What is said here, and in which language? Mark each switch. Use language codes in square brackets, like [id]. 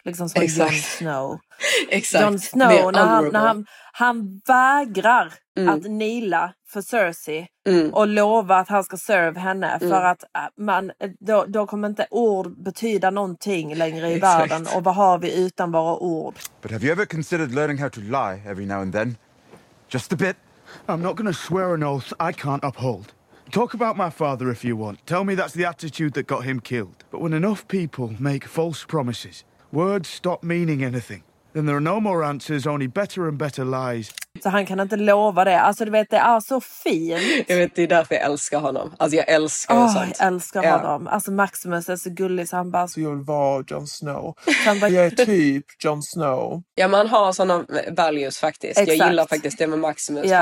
[sv] Liksom som Jon Snow. Exakt. Jon Snow, när han vägrar att kneela för Cersei och lova att han ska serve henne, för att man, då kommer inte ord betyda någonting längre i världen, och vad har vi utan våra ord? [en] But have you ever considered learning how to lie every now and then? Just a bit. I'm not going to swear an oath I can't uphold. Talk about my father if you want. Tell me that's the attitude that got him killed. But when enough people make false promises, words stop meaning anything. Then there are no more answers, only better and better lies. [sv] Så han kan inte lova det. Alltså du vet, det är så fint. Jag vet, det är därför jag älskar honom. Alltså jag älskar Jag älskar honom. Alltså Maximus är så gullig, så han bara, så jag vill vara Jon Snow. Jag är typ Jon Snow. Ja, men han har sådana values faktiskt. Exakt. Jag gillar faktiskt det med Maximus. Ja.